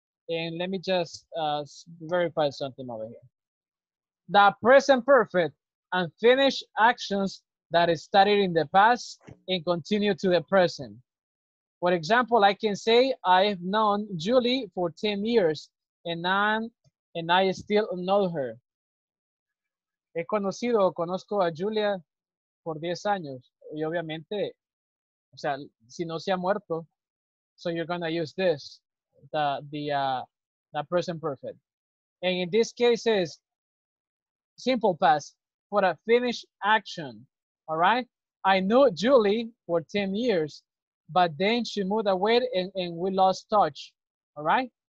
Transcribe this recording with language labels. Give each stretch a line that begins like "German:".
English: And let me just verify something over here. The present perfect and finished actions that started in the past and continue to the present. For example, I can say I've known Julie for 10 years and I still know her.
Spanish: He conocido o conozco a Julia por 10 años. Y obviamente, o sea, si no se ha muerto.
English: So you're going to use this, the present perfect. And in this case is simple past for a finished action, all right? I knew Julie for 10 years. But then she moved away and we lost touch, all right?